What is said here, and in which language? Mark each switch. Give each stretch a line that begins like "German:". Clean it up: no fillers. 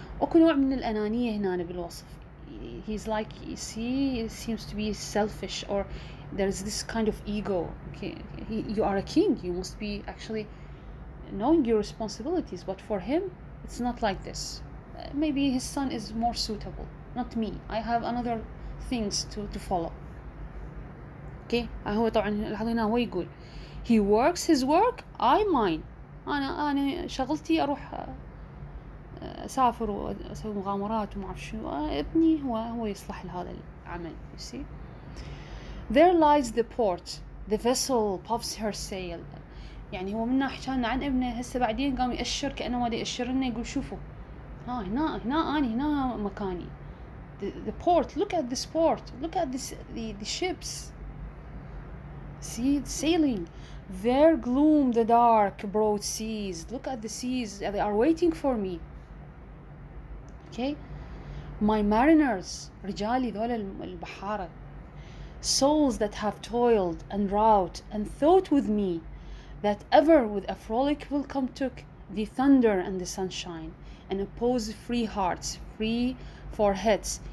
Arabic: أكو نوع من الأنانية هنا بالوصف.
English: He's like, you see, he seems to be selfish, or there's this kind of ego. Okay. You are a king. You must be actually knowing your responsibilities. But for him, it's not like this. Maybe his son is more suitable. Not me. I have another things to follow. Okay.
Arabic: هو طبعا لاحظوا هنا هو يقول
English: he works his work, I mine.
Arabic: أنا شغلتي أروح أسافر وأسوي مغامرات وما أعرف شو، ابني هو يصلح لهذا العمل.
English: You see, there lies the port, the vessel puffs her sail.
Arabic: يعني هو منا حكينا عن ابنه، هسه بعدين قام يأشر كأنه ما يأشر لنا، يقول شوفوا ها هنا هنا أنا هنا مكاني.
English: The port, look at this port, look at this the ships. See it's sailing. There gloom the dark broad seas. Look at the seas, they are waiting for me. Okay, my mariners,
Arabic: رجالي ذول البحارة,
English: souls that have toiled and wrought and thought with me, that ever with a frolic will come took the thunder and the sunshine, and oppose free hearts, free foreheads.